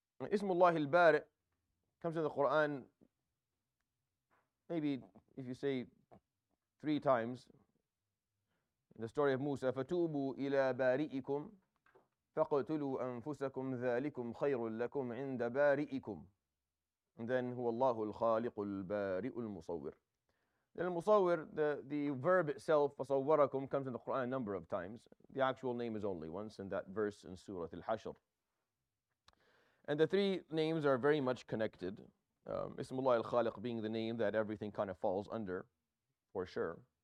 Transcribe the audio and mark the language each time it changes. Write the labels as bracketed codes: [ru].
[en] Ism Allah al-Bari' comes in the Quran, maybe if you say 3 times, in the story of Musa, [ar] فَتُوبُوا إِلَىٰ بَارِئِكُمْ فَقْتُلُوا أَنفُسَكُمْ ذَٰلِكُمْ خَيْرٌ لَكُمْ عِنْدَ بَارِئِكُمْ. [en] And then, [ar] هُوَ اللَّهُ الْخَالِقُ الْبَارِئُ الْمُصَوِّرُ. [en] Then المصور, the verb itself, فَصَوَّرَكُمْ, comes in the Quran a number of times. The actual name is only once in that verse in Surah Al-Hashr. And the three names are very much connected. Ismullah al-Khaliq being the name that everything kind of falls under, for sure.